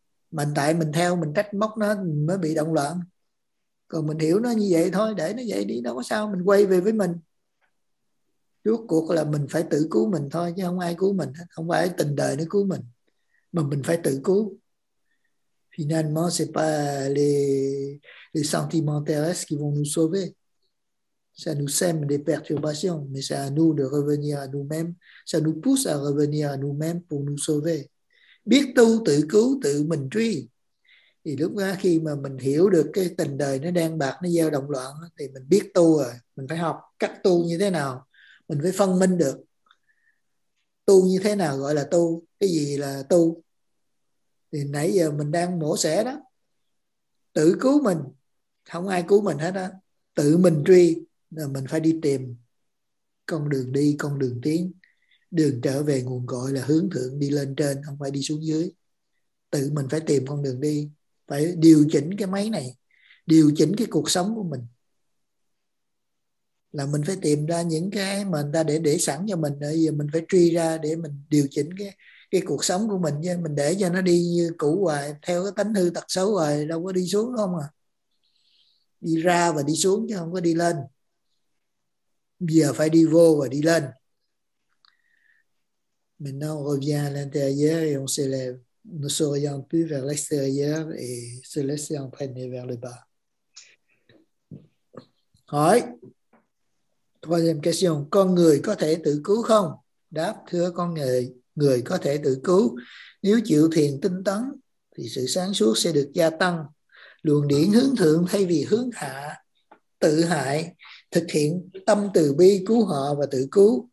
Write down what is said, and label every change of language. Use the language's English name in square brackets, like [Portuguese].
[Vietnamese] Mình tại mình theo, mình trách móc nó mới bị động loạn. Còn mình hiểu nó như vậy thôi, để nó vậy đi, đâu có sao, mình quay về với mình. Rốt cuộc là mình phải tự cứu mình thôi, chứ không ai cứu mình, không phải tình đời nó cứu mình, mà mình phải tự cứu. [French] Finalement, c'est pas les sentiments terrestres qui vont nous sauver. Ça nous sème des perturbations, mais c'est à nous de revenir à nous-mêmes. Ça nous pousse à revenir à nous-mêmes pour nous sauver. [Vietnamese] Biết tu, tự cứu, tự mình truy. Thì lúc đó khi mà mình hiểu được cái tình đời nó đen bạc, nó gieo động loạn, thì mình biết tu rồi, mình phải học cách tu như thế nào. Mình phải phân minh được tu như thế nào gọi là tu, cái gì là tu. Thì nãy giờ mình đang mổ xẻ đó, tự cứu mình, không ai cứu mình hết á, tự mình truy, là mình phải đi tìm con đường đi, con đường tiến, đường trở về nguồn cội là hướng thượng đi lên trên, không phải đi xuống dưới. Tự mình phải tìm con đường đi, phải điều chỉnh cái máy này, điều chỉnh cái cuộc sống của mình. Là mình phải tìm ra những cái mà người ta để sẵn cho mình. Bây giờ mình phải truy ra để mình điều chỉnh cái cuộc sống của mình. Mình để cho nó đi như cũ hoài, theo cái tánh hư tật xấu hoài, đâu có đi xuống không à. Đi ra và đi xuống chứ không có đi lên. Bây giờ phải đi vô và đi lên. [French] Maintenant, on revient à l'intérieur et on s'élève. Ne s'oriente plus vers l'extérieur et se laisser entraîner vers le bas. [Vietnamese] Hỏi. [French] Troisième question, [Vietnamese] con người có thể tự cứu không? Đáp, thưa con người, người có thể tự cứu. Nếu chịu thiền tinh tấn, thì sự sáng suốt sẽ được gia tăng. Luồng điển hướng thượng thay vì hướng hạ, tự hại, thực hiện tâm từ bi cứu họ và tự cứu.